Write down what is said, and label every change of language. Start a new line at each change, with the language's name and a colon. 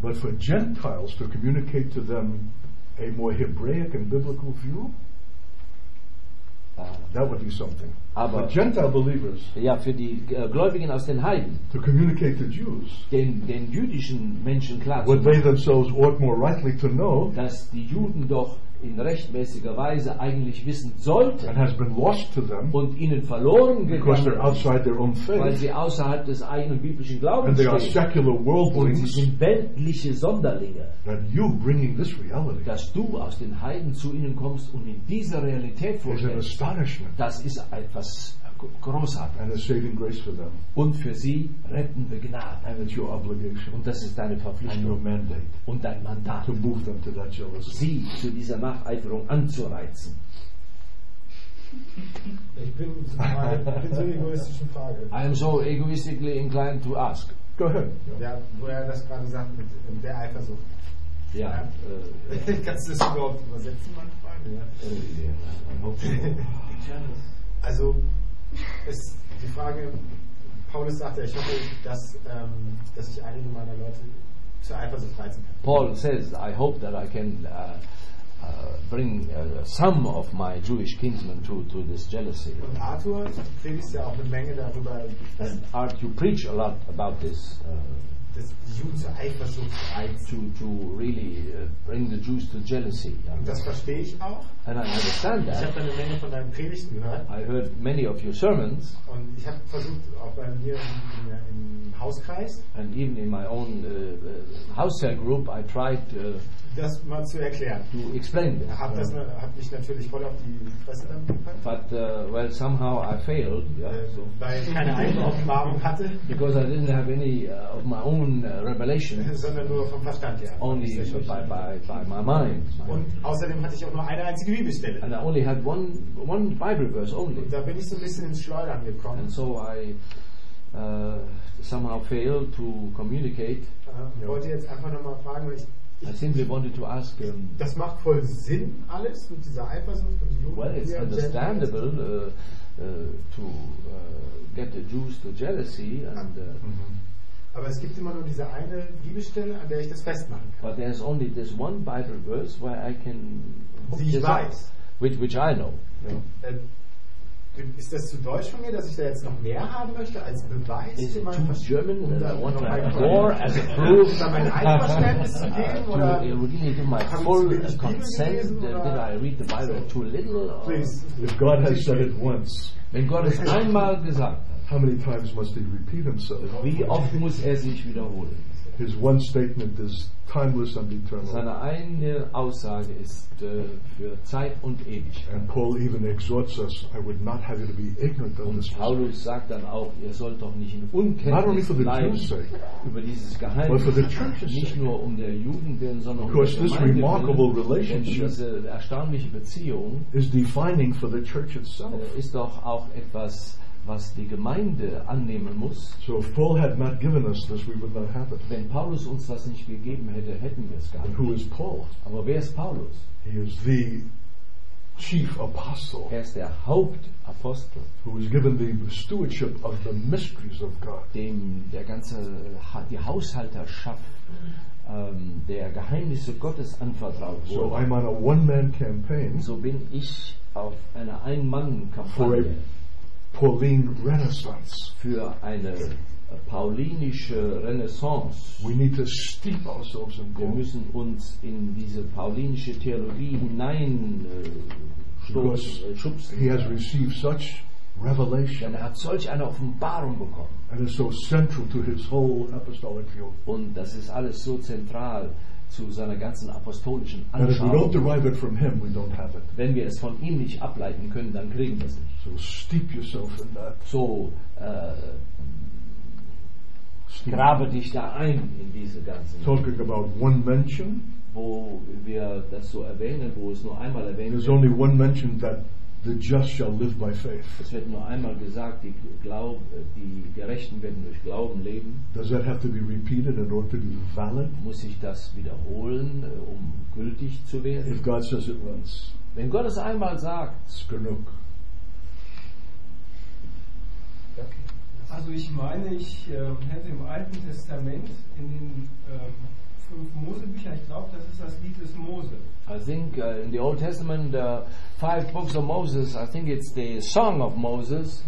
English: But for Gentiles to communicate to them a more Hebraic and biblical view. That would be something.
German: Aber
English: for Gentile believers,
German: ja, für die Gläubigen aus den Heiden,
English: to communicate to Jews,
German: den jüdischen Menschen klar,
English: what they themselves ought more rightly to know,
German: dass die Juden doch in rechtmäßiger Weise eigentlich wissen sollten,
English: and has been lost to them,
German: und ihnen verloren gegangen,
English: because they're outside their own faith,
German: weil sie außerhalb des eigenen biblischen Glaubens
English: and they
German: stehen,
English: are secular worldlings,
German: und sie sind weltliche Sonderlinge,
English: that you bringing this reality,
German: dass du aus den Heiden zu ihnen kommst und in dieser Realität vorstellst, das ist etwas Großartiges. Und für sie rettende Gnade.
English: And it's your obligation.
German: Und das ist deine Verpflichtung.
English: And your mandate.
German: Und dein Mandat.
English: To move them to that jealousy.
German: Sie zu dieser Nacheiferung anzureizen. Ich bin so egoistische Frage.
English: I am so egoistically inclined to ask. Go ahead.
German: Ja, wo er das gerade sagt mit der Eifersucht. Kannst du das überhaupt übersetzen, meine Frage? Also, ist die Frage, Paulus sagte, ich hoffe, dass ich einige meiner Leute zur Eifersucht reizen kann.
English: Paul says, I hope that I can bring some of my Jewish kinsmen to this jealousy.
German: Und Arthur, du predigst ja auch eine Menge darüber.
English: And Art, you preach a lot about this.
German: Dass die Juden zur Eifersucht reizen.
English: To really bring the Jews to jealousy.
German: Und das verstehe ich auch.
English: And I understand that.
German: Ich habe eine Menge von deinen Predigten gehört.
English: I heard many of your sermons.
German: Und ich habe versucht, auch bei mir im Hauskreis.
English: And even in my own house cell group, I tried to.
German: Das mal zu erklären.
English: To explain.
German: Hab mich natürlich voll auf die Fresse dann gepackt.
English: But well, somehow I failed.
German: Weil ich keine eigene Offenbarung hatte.
English: Because I didn't have any of my own revelation.
German: Sondern nur vom Verstand, ja.
English: Only by my mind.
German: Und außerdem hatte ich auch nur eine einzige Bibelstelle.
English: And I only had one Bible verse only.
German: Da bin ich so ein bisschen ins Schleudern gekommen.
English: And so I somehow failed to communicate.
German: Ich wollte jetzt einfach nochmal fragen, weil ich.
English: I simply wanted to ask.
German: Das macht voll Sinn alles mit dieser Eifersucht und die Juden.
English: Well, it's understandable to get the Jews to jealousy and.
German: Aber es gibt immer nur diese eine Bibelstelle, an der ich das festmachen kann.
English: But there's only this one Bible verse where I can.
German: Die ich weiß.
English: Which I know.
German: Ist das zu deutsch von mir, dass ich da jetzt noch mehr haben möchte als Beweis?
English: Is it too German? As a proof? Really give my full consent? Did I read the Bible too little? Please. If God has said it once,
German: wenn Gott es einmal gesagt hat,
English: how many times must he repeat himself?
German: Wie oft muss er sich wiederholen?
English: His one statement is timeless and eternal.
German: Seine eine Aussage ist für Zeit und ewig.
English: And Paul even exhorts us, I would not have you to be ignorant of this.
German: Paulus sagt dann auch, ihr sollt doch nicht in Unkenntnis bleiben über dieses Geheimnis,
English: but for the church's sake.
German: Nicht nur um der Jugend willen, sondern um diese
English: remarkable relationship,
German: diese erstaunliche Beziehung
English: is defining for the church itself.
German: Ist doch auch etwas, was die Gemeinde annehmen muss.
English: So if Paul had not given us this, we would not have it.
German: Wenn Paulus uns das nicht gegeben hätte, hätten wir es gar nicht.
English: Who is Paul?
German: Aber wer ist Paulus?
English: He is the chief apostle.
German: Er ist der Hauptapostel.
English: Who is given the stewardship of the mysteries of God.
German: Dem der ganze die Haushalterschaft der Geheimnisse Gottes anvertraut wurde.
English: So I'm on a one-man campaign.
German: So bin ich auf einer Ein-Mann-Kampagne.
English: Pauline Renaissance.
German: Für eine paulinische Renaissance.
English: We need to steep ourselves in.
German: Wir müssen uns in diese paulinische Theologie hinein schubsen.
English: He has received such revelation.
German: Denn er hat solch eine Offenbarung bekommen.
English: And it's so central to his whole apostolic view.
German: Und das ist alles so zentral zu seiner ganzen apostolischen Anschauung.
English: If we don't derive it from him, we don't have it.
German: Wenn wir es von ihm nicht ableiten können, dann kriegen wir es nicht.
English: So steep yourself in that.
German: So grabe dich da ein in diese ganze.
English: Talking about one mention,
German: wo wir das so erwähnen, wo es nur einmal erwähnt wird.
English: There's only one mention that The just shall live by faith.
German: Es wird nur einmal gesagt, die Gerechten werden durch Glauben leben.
English: Does that have to be repeated in order to be valid?
German: Muss ich das wiederholen, um gültig zu werden?
English: If God says it once,
German: wenn Gott es einmal sagt,
English: it's
German: genug.
English: Okay.
German: Also ich meine, ich hätte im Alten Testament in den fünf Mosebüchern, ich glaube, das ist das Lied des Mose.
English: I think in the Old Testament, the five books of Moses, I think it's the song of Moses.